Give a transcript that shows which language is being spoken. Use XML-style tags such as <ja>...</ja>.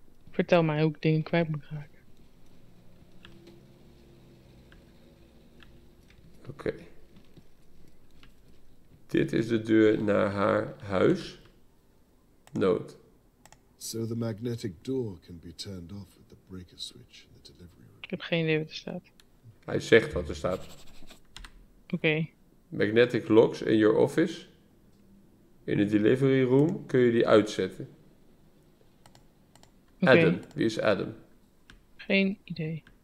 <nl>Vertel mij hoe ik dingen kwijt moet raken. Oké. Okay. Dit is de deur naar haar huis. Noot.</nl> <en>So the magnetic door can be turned off with the breaker switch in the delivery room.</en> <nl>Ik heb geen idee wat er staat. Hij zegt wat er staat. Oké. Okay.</nl> <en>Magnetic locks in your office.</en> <nl>In de delivery room kun je die uitzetten. Okay. Adam. Wie is Adam? Geen idee.</nl>